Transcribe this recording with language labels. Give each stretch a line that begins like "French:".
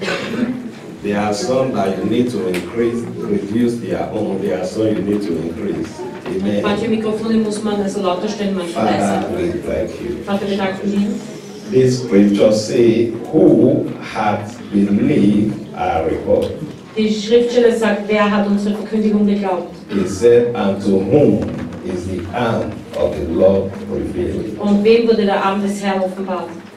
English: There are some that you need to increase, reduce their own. There are some you need to increase. Amen.
German: Manche Mikrofone muss man also lauter stellen, manche leiser.
English: Father, we thank you.
German: Vater, wir danken Ihnen.
English: This scripture says, who hath believed our report?
German: Die Schriftstelle sagt, wer hat unsere Verkündigung geglaubt?
English: He said, and to whom is the arm of the Lord revealed?
German: Und wem wurde der Arm des Herrn offenbart?